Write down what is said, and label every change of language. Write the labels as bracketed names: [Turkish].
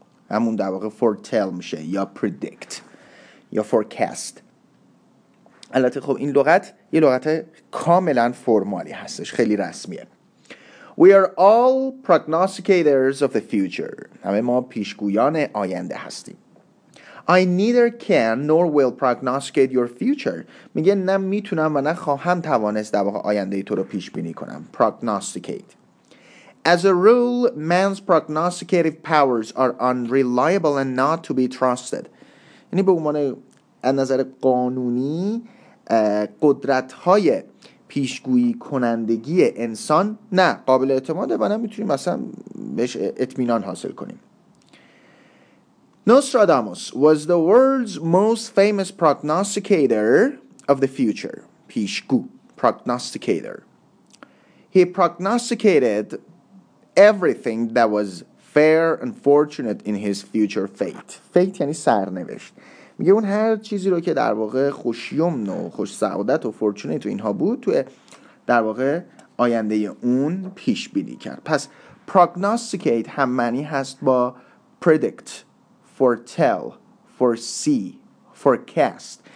[Persian] همون در واقع foretell میشه یا predict یا forecast. البته خب این لغت یه لغت کاملا فرمالی هستش، خیلی رسمیه. [English] We are all prognosticators of the future. [Persian] همه ما پیشگویان آینده هستیم. [English] I neither can nor will prognosticate your future. [Persian] میگه نه میتونم و نه خواهم توانست در واقع آینده تو رو پیش بینی کنم. [English] Prognosticate. As a rule, man's prognosticative powers are unreliable and not to be trusted. [Persian] یعنی به عنوان از نظر قانونی قدرت های پیشگویی کنندگی انسان نه قابل اعتماده و نه میتونیم مثلا بهش اطمینان حاصل کنیم. [English] Nostradamus was the world's most famous prognosticator of the future. Pishku, prognosticator. He prognosticated everything that was fair and fortunate in his future fate. [Persian] Fate یعنی سرنوشت. میگه اون هر چیزی رو که در واقع خوشیمن و خوش سعادت و فورچونیت و اینها بود تو در واقع آینده اون پیش بینی کرد. پس prognosticate هم معنی هست با predict. [English] Foretell, foresee, forecast.